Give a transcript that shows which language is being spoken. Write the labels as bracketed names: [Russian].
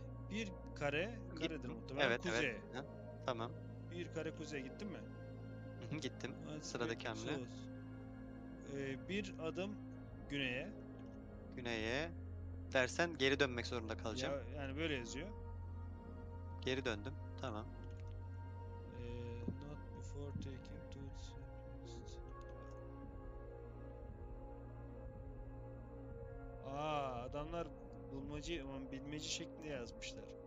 [Turkish] Bir kare, karedir muhtemelen. Evet, kuzeye. Evet. Tamam. Bir kare kuzeye gittin mi? Gittim. Hadi sıradaki hamle. Bir adım güneye. Güneye dersen geri dönmek zorunda kalacağım. Ya, yani böyle yazıyor. Geri döndüm. Tamam. [English] Not before taking to rest. [Turkish] Aa, adamlar bulmacı ama bilmeci şeklinde yazmışlar.